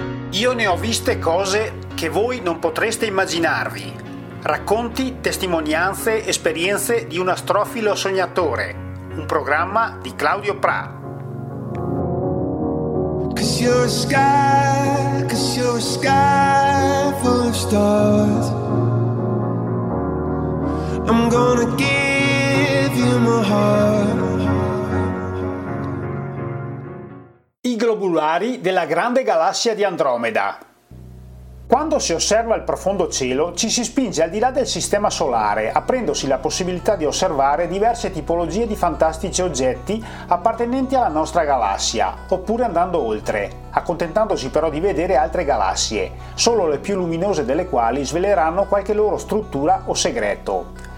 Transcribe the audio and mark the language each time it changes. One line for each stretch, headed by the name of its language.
Italian: Io ne ho viste cose che voi non potreste immaginarvi. Racconti, testimonianze, esperienze di un astrofilo sognatore. Un programma di Claudio Pra.
English: Cause you're a sky, cause you're a sky full of stars. I'm gonna give you my heart.
Italian: I globulari della grande galassia di Andromeda. Quando si osserva il profondo cielo, ci si spinge al di là del sistema solare, aprendosi la possibilità di osservare diverse tipologie di fantastici oggetti appartenenti alla nostra galassia, oppure andando oltre, accontentandosi però di vedere altre galassie, solo le più luminose delle quali sveleranno qualche loro struttura o segreto.